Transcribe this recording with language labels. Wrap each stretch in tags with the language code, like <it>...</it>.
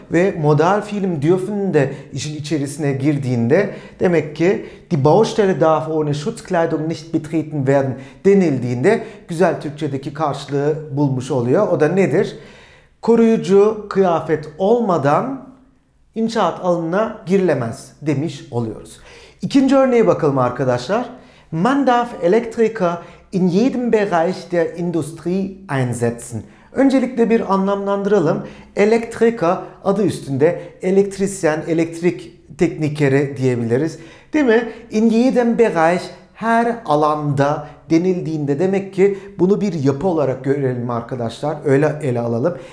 <tr>Ve modal fiilim dürfen de işin içerisine girdiğinde demek ki</tr> <de>die Baustelle darf ohne Schutzkleidung nicht betreten werden</de> <tr>denildiğinde güzel Türkçedeki karşılığı bulmuş oluyor. O da nedir? Koruyucu kıyafet olmadan inşaat alanına girilemez demiş oluyoruz. İkinci örneğe bakalım arkadaşlar.</tr> <de>Man darf Elektriker in jedem Bereich der Industrie einsetzen.</de> <tr>Öncelikle bir anlamlandıralım. Elektriker adı üstünde, elektrisyen, elektrik teknikeri diyebiliriz. Değil mi?</tr> <de>In jedem Bereich,</de> <tr>her alanda denildiğinde demek ki bunu bir yapı olarak görelim arkadaşlar. Öyle ele alalım.</tr>